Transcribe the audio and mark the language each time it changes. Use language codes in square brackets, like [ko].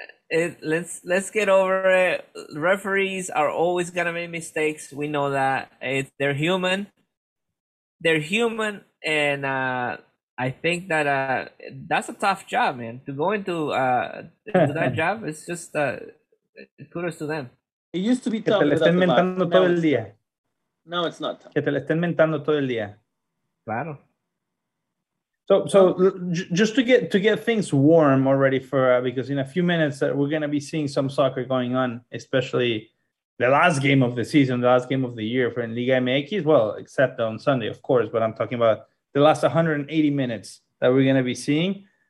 [en] Let's get over it. Referees are always gonna make mistakes. We know that they're human. They're human, and I think that that's a tough job, man. To go into that job, it's just kudos to them. It used to be tough. [es] Que te le estén mentando todo el día. [en] No, it's not tough. [es] Que te le estén mentando todo el día. Claro. [en] So just to get things warm already because in a few minutes we're going to be seeing some soccer going on, especially the last game of the season, the last game of the year for Liga MX. Well, except on Sunday, of course, but I'm talking about the last 180 minutes that we're going to be seeing.